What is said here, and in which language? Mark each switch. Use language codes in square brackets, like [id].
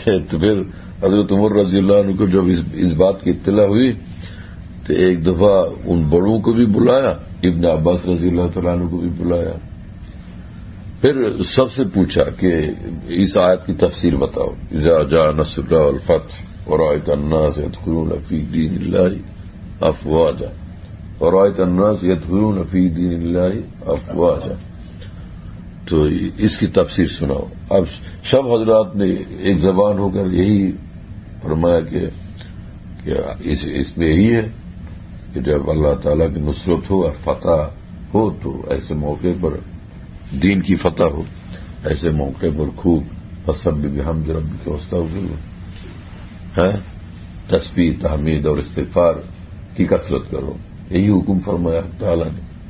[ur] تو پھر حضرت عمر رضی اللہ عنہ کو جب اس بات کی اطلاع ہوئی تو ایک دفعہ ان بڑوں کو بھی بلایا, ابن عباس رضی اللہ تعالیٰ عنہ کو بھی بلایا, پھر سب سے پوچھا کہ اس آیت کی تفسیر بتاؤ. [ar] اذا جاء نصر اللہ والفتح ورأيت الناس يدخلون في دين الله افواجا ورأيت الناس يدخلون في دين الله افواجا. [ur] تو اس کی تفسیر سناؤ. اب سب حضرات نے ایک زبان ہو کر یہی فرمایا کہ اس میں یہی ہے کہ جب اللہ تعالیٰ کی نصرت ہو اور فتح ہو تو ایسے موقع پر دین کی فتح ہو ایسے موقع پر خوب [ar] فسبح بحمد ربک واستغفر [ur] تسبیح تحمید اور استغفار کی کثرت کرو, یہی حکم فرمایا تعالیٰ نے.